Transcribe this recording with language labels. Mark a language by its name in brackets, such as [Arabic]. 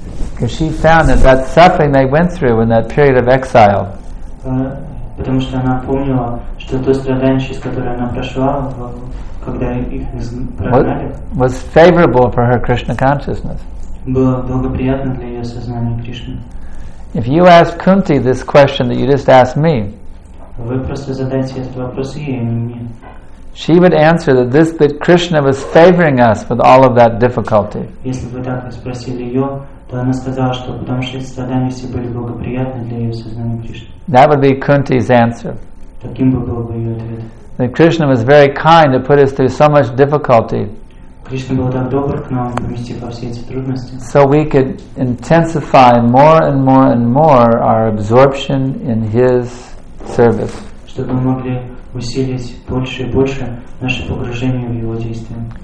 [English] Because she found that suffering they went through in that period of exile, [Russian] потому что она помнила, что то страдание, которое она прошла, когда их прогнали, [English] was favorable for her Krishna consciousness. [Russian] Было благоприятно для ее сознания Кришны. [English] If you ask Kunti this question that you just asked me, [Russian] вы просто задайте этот вопрос ей, а не мне. [English] She would answer that this bit Krishna was favoring us with all of that difficulty. [Russian] Если бы так спросили ее, то она сказала, что потому что страдания все были благоприятны для ее сознания Кришны. [English] That would be Kunti's answer. [Russian] Таким бы был бы ее ответ. [English] That Krishna was very kind to put us through so much difficulty. [Russian] Кришна был так добр к нам, поместив во все эти трудности. [English] So we could intensify more and more and more our absorption in His service. [Russian] Чтобы мы могли усилить больше и больше наше погружение в Его действия.